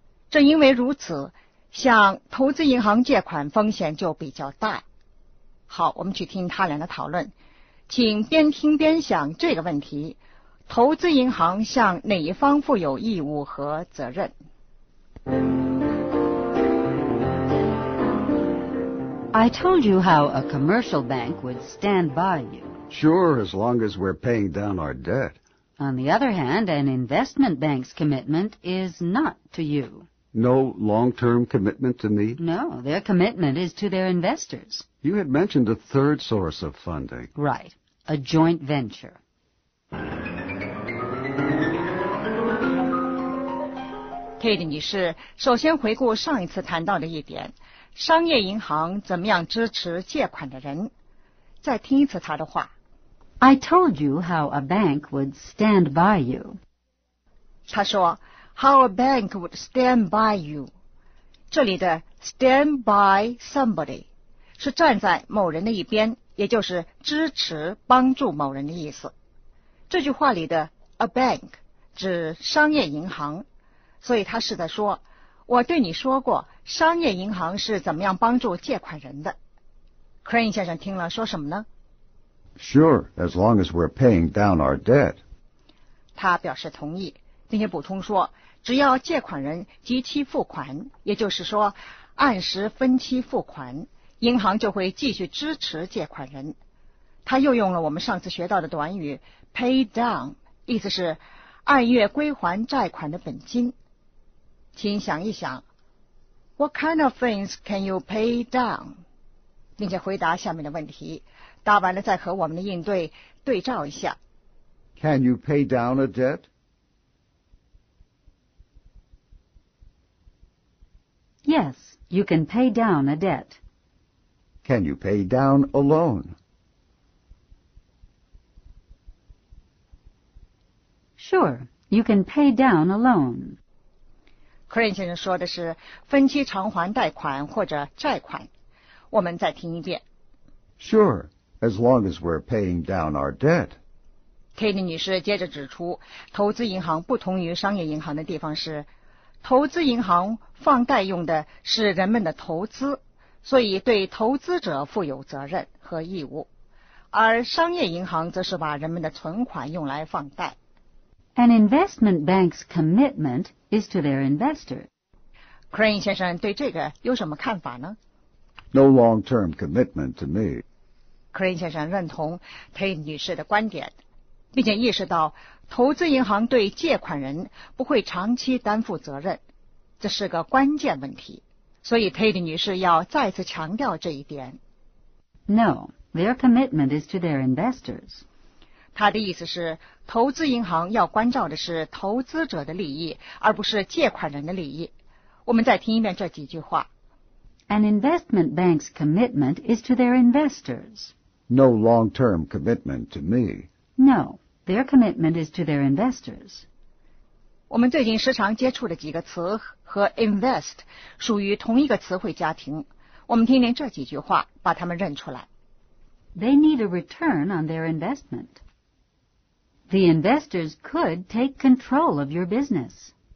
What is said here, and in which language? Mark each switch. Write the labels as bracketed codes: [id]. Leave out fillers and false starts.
[zh] 正因为如此，向投资银行借款风险就比较大。好，我们去听他俩的讨论，请边听边想这个问题，投资银行向哪一方负有义务和责任。 [en] I told you how a commercial bank would stand by you. Sure, as long as we're paying down our debt. On the other hand, an investment bank's commitment is not to you. No long-term commitment to me? No, their commitment is to their investors. You had mentioned a third source of funding. Right, a joint venture. [zh] Kate 女士，首先回顾上一次谈到的一点，商业银行怎么样支持借款的人？再听一次她的话。 [en] I told you how a bank would stand by you. 她说 How a bank would stand by you. [zh] 这里的 stand by somebody 是站在某人的一边，也就是支持帮助某人的意思。这句话里的 a bank 指商业银行，所以他是在说，我对你说过商业银行是怎么样帮助借款人的。 Crane 先生听了说什么呢？ [en] Sure, as long as we're paying down our debt. [zh] 他表示同意，并且补充说，只要借款人及期付款，也就是说按时分期付款，银行就会继续支持借款人。他又用了我们上次学到的短语 pay down, 意思是按月归还债款的本金。 [en] 请想一想， What kind of things can you pay down? [zh] 并且回答下面的问题，答完了再和我们的应对对照一下。 [en] Can you pay down a debt? Yes, you can pay down a debt. Can you pay down a loan? Sure, you can pay down a loan. [zh] Crane 先生说的是分期偿还贷款或者债款。我们再听一遍。 [en] Sure, as long as we're paying down our debt. [zh] Kate 女士接着指出，投资银行不同于商业银行的地方是投资银行放贷用的是人们的投资，所以对投资者负有责任和义务，而商业银行则是把人们的存款用来放贷。 [en] An investment bank's commitment is to their investor. [zh] Crane 先生对这个有什么看法呢？ [en] No long-term commitment to me. [zh] Crane 先生认同 Tate 女士的观点，并且意识到投资银行对借款人不会长期担负责任，这是个关键问题，所以 Tate 女士要再次强调这一点。 [en] No, their commitment is to their investors. [zh] 她的意思是投资银行要关照的是投资者的利益，而不是借款人的利益。我们再听一遍这几句话。 [en] An investment bank's commitment is to their investors. No long-term commitment to me. No, their commitment is to their investors. [zh] 我们最近时常接触的几个词和 invest 属于同一个词汇家庭。我们听听这几句话，把它们认出来。 [en] They need a return on their investment. The investors could take control of your business.